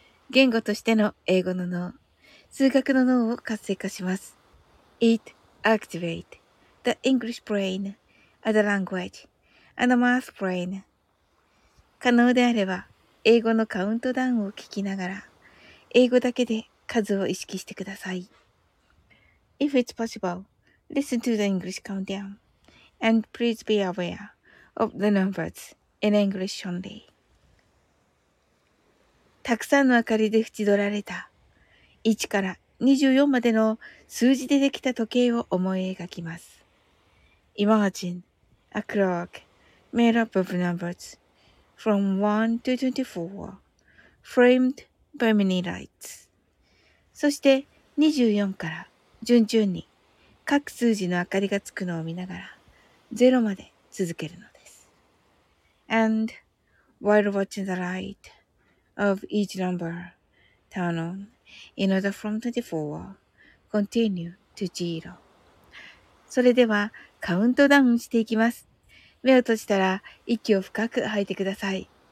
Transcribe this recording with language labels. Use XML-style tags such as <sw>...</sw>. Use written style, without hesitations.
<ja>言語としての英語の脳、数学の脳を活性化します。</ja> <en>It activates the English brain. Other language, and math brain.</en> <ja>可能であれば、英語のカウントダウンを聞きながら、英語だけで数を意識してください。</ja> <en>If it's possible, listen to the English countdown, and please be aware of the numbers in English only.</en> <ja>たくさんの明かりで縁取られた、1から24までの数字でできた時計を思い描きます。</ja> <en>Imagine. A clock made up of numbers from 1 to 24, framed by many lights.</en> <ja>そして24から順々に各数字の明かりがつくのを見ながら0まで続けるのです。</ja> <en>And while watching the light of each number turn on in order from 24, continue to 0.</en> <ja>それではカウントダウンしていきます。目を閉じたら息を深く吐いてください。</ja>